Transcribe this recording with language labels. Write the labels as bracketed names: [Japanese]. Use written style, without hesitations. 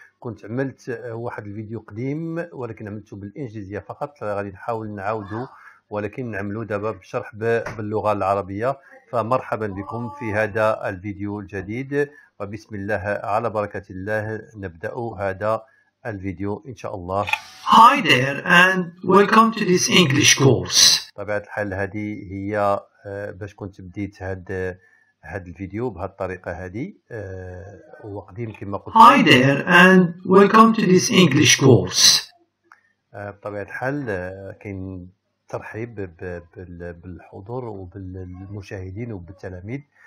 [Arabic] كنت عملت واحد الفيديو قديم ولكن عملته بالإنجليزية فقط، غادي نحاول نعاوده ولكن نعملو دابا بشرح باللغة العربية. فمرحبا بكم في هذا الفيديو الجديد، وبسم الله على بركة الله نبدأ هذا الفيديو إن شاء الله. [English] Hi there and welcome to this English course. [Arabic] طبيعة الحال هذه هي باش كنت بديت هاد الفيديو بهالطريقة هذه وقديم كما قلت. [English] Hi there and welcome to this English course. [Arabic] طبيعة الحال كاين ترحيب بالحضور وبالمشاهدين وبالتلاميذ.